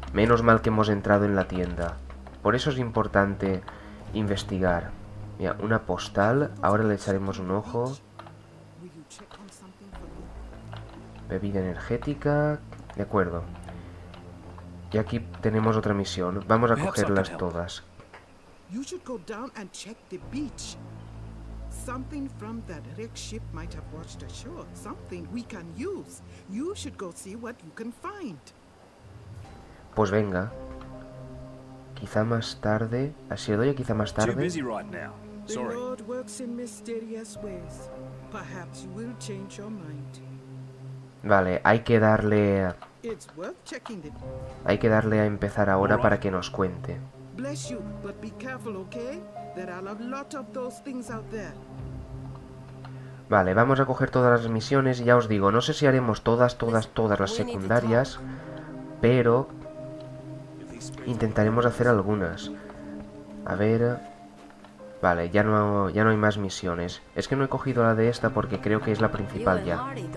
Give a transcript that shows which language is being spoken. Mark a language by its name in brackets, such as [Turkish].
[Spanish] Menos mal que hemos entrado en la tienda. Por eso es importante investigar. Mira, una postal. Ahora le echaremos un ojo. Bebida energética. De acuerdo. Y aquí tenemos otra misión. Vamos a cogerlas todas. [English] You should go down and check the beach. Something from that wrecked ship might have washed ashore. Something we can use. You should go see what you can find. [Spanish] Pues venga. Quizá más tarde. Así lo doy, quizá más tarde. [English] Too busy right now. Sorry. The Lord works in mysterious ways. Perhaps you will change your mind. [Spanish] Vale, hay que darle. [English] It's worth checking the... [Spanish] Hay que darle a empezar ahora para que nos cuente. [English] Bless you, but be careful, okay? There are a lot of those things out there. [Spanish] Vale, vamos a coger todas las misiones y ya os digo, no sé si haremos todas las secundarias, pero intentaremos hacer algunas. A ver. Vale, ya no hay más misiones. Es que no he cogido la de esta porque creo que es la principal ya.